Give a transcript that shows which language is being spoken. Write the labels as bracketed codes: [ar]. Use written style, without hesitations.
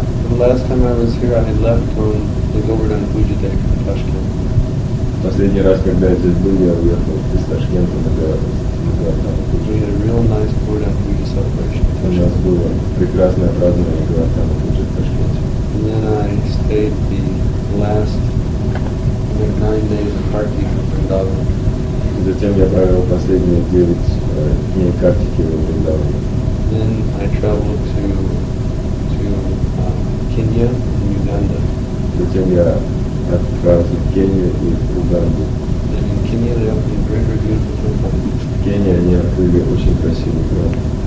[en] The last time I was here, I had left on the Govardhan Puja Day from Tashkent. [ru] Последний раз, когда я здесь был, я уехал из Ташкента на Говардхан [en] Пуджу. We had a real nice Govardhan Puja celebration. [ru] У нас было прекрасное празднование Говардхан Пуджи в Ташкенте. [en] And then I stayed the last 9 days of Kartik in Vrindavan. [ru] Затем я провел последние 9 дней Картики в Вриндаване. [en] Then I traveled to Kenya and Uganda. [ru] Затем я отправился в Кению и в Уганду. [en] And in Kenya they opened a very beautiful temple. [ru] В Кении они открыли очень красивый храм.